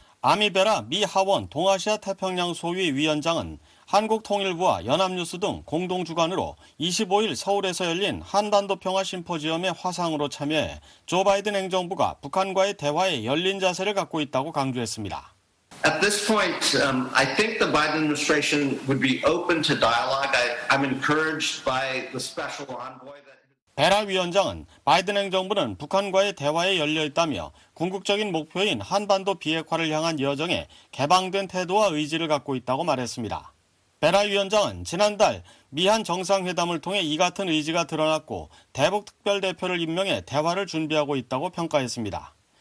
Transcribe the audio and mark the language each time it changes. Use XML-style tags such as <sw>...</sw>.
<ko>아미베라 미 하원 동아시아 태평양 소위위원장은 한국통일부와 연합뉴스 등 공동주관으로 25일 서울에서 열린 한반도 평화 심포지엄의 화상으로 참여해 조 바이든 행정부가 북한과의 대화에 열린 자세를 갖고 있다고 강조했습니다.</ko> <en>At this point, I think the Biden administration would be open to dialogue. I'm encouraged by the special envoy.</en> <ko>베라 위원장은 바이든 행정부는 북한과의 대화에 열려 있다며 궁극적인 목표인 한반도 비핵화를 향한 여정에 개방된 태도와 의지를 갖고 있다고 말했습니다. 베나 위원장은 지난달 미한 정상회담을 통해 이 같은 의지가 드러났고 대북 특별대표를 임명해 대화를 준비하고 있다고 평가했습니다.</ko>